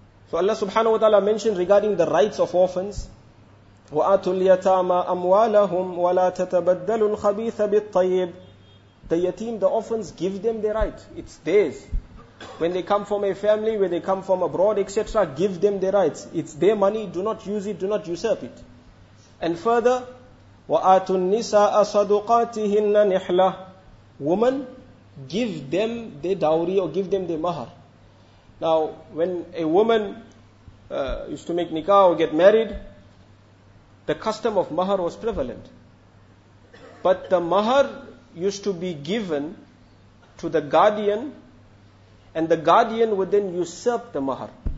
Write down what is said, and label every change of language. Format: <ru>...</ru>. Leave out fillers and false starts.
<en>So Allah subhanahu wa ta'ala mentioned regarding the rights of orphans,</en> <ar>وَآتُوا الْيَتَامَ أَمْوَالَهُمْ وَلَا تَتَبَدَّلُوا الْخَبِيثَ بِالطَّيِّبِ.</ar> <en>The yatim, the orphans, give them their right. It's theirs. When they come from a family, when they come from abroad, etc., give them their rights. It's their money. Do not use it. Do not usurp it. And further,</en> <ar>وَآتُوا النِّسَاءَ صَدُقَاتِهِنَّ نِحْلَةً.</ar> <en>Woman, give them their dowry or give them their mahar. Now, when a woman used to make nikah or get married, the custom of mahar was prevalent. But the mahar used to be given to the guardian, and the guardian would then usurp the mahar.</en>